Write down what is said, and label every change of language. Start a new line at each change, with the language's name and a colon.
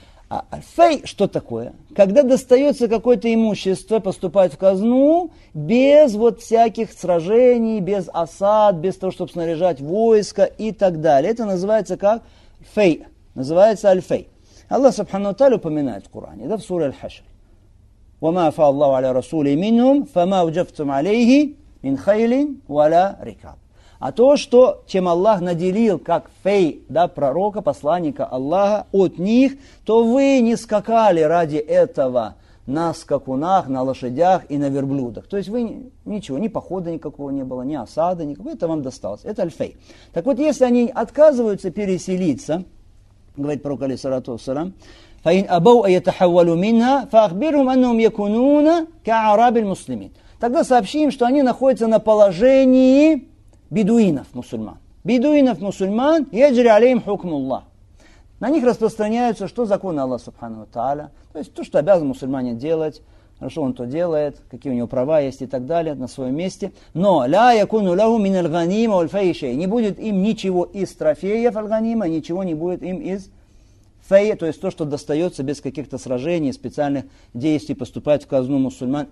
Russian: А аль-фей, что такое? Когда достается какое-то имущество, поступает в казну, без вот всяких сражений, без осад, без того, чтобы снаряжать войско и так далее. Это называется как фей, называется аль-фей. Аллах Субхану ва Тааля упоминает в Коране, да, в суре аль-хашр.
Arabic: وما فا الله على رسوله منهم فما وجفتم عليه من خيل ولا ركاب.
Russian: А то, что чем Аллах наделил как фей, да, пророка, посланника Аллаха от них, то вы не скакали ради этого на скакунах, на лошадях и на верблюдах. То есть вы ничего, ни похода никакого не было, ни осады никакого, это вам досталось. Это аль-фей. Так вот, если они отказываются переселиться, говорит пророк
Arabic: алейхиссалату вассалям, فَإِنْ أَبَوْ أَيَتَحَوَّلُ مِنْهَا فَأَخْبِرْهُمْ أَنُّهُمْ يَكُنُونَ كَعَرَابِ الْمُسْلِمِينَ.
Russian: Тогда сообщим, что они находятся на положении бедуинов-мусульман. Бедуинов-мусульман,
Arabic: يَجْرِ عَلَيْهِمْ حُكْمُ اللَّهِ.
Russian: На них распространяются, что законы Аллаха Субхану ва Тааля, то есть то, что обязан мусульманин делать, хорошо он то делает, какие у него права есть и так далее, на своем месте. Но
Arabic: ля якуну ляху мин аль-ганима валь-фей шей.
Russian: Не будет им ничего из трофеев аль-ганима, ничего не будет им из фей, то есть то, что достается без каких-то сражений, специальных действий, поступает в казну мусульман.